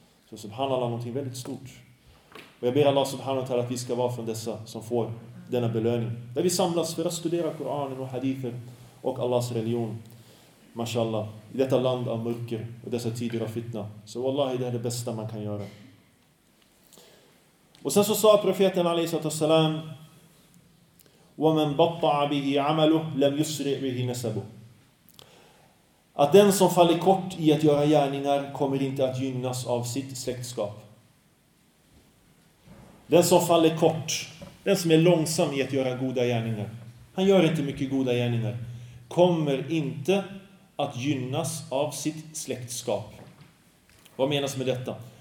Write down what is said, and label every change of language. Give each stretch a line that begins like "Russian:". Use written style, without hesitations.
Swedish: Så subhanallah, någonting väldigt stort. Och jag ber Allah subhanahu wa ta'ala att vi ska vara från dessa som får denna belöning. Där vi samlas för att studera Koranen och hadithen och Allahs religion. Mashallah, i detta land av mörker och dessa tider av fitna. Så wallahi, det är det bästa man kan göra. Och sen så sa profeten alaihissalam,
Arabic: وَمَنْ بَطَّعَ بِهِ عَمَلُهُ لَمْ يُسْرِعْ بِهِ نَسَبُهُ.
Swedish: Att den som faller kort i att göra gärningar kommer inte att gynnas av sitt släktskap. Den som faller kort, den som är långsam i att göra goda gärningar, han gör inte mycket goda gärningar, kommer inte att gynnas av sitt släktskap. Vad menas med detta?